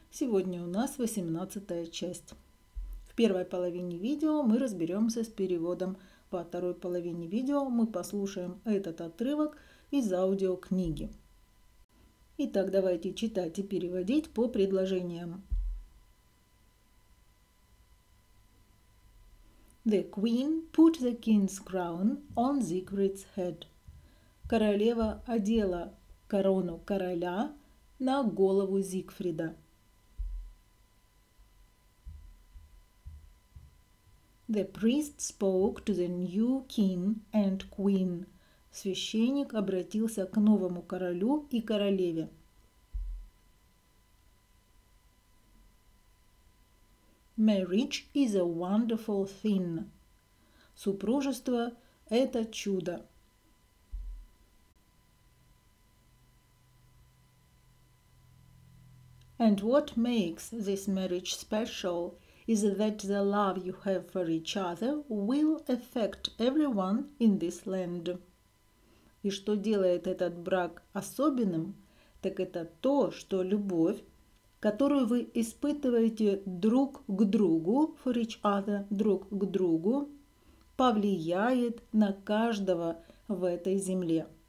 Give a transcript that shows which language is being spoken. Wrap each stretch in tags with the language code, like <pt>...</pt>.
<ru>Сегодня у нас 18-я часть. В первой половине видео мы разберемся с переводом. Во второй половине видео мы послушаем этот отрывок из аудиокниги. Итак, давайте читать и переводить по предложениям.</ru> <en>The queen put the king's crown on Zigfried's head.</en> <ru>Королева одела корону короля на голову Зигфрида.</ru> <en>The priest spoke to the new king and queen.</en> <ru>Священник обратился к новому королю и королеве.</ru> <en>Marriage is a wonderful thing.</en> <ru>Супружество – это чудо.</ru> <en>And what makes this marriage special is that the love you have for each other will affect everyone in this land.</en> <ru>И что делает этот брак особенным, так это то, что любовь, которую вы испытываете друг к другу,</ru> <en>for each other,</en> <ru>друг к другу, повлияет на каждого в этой земле.</ru>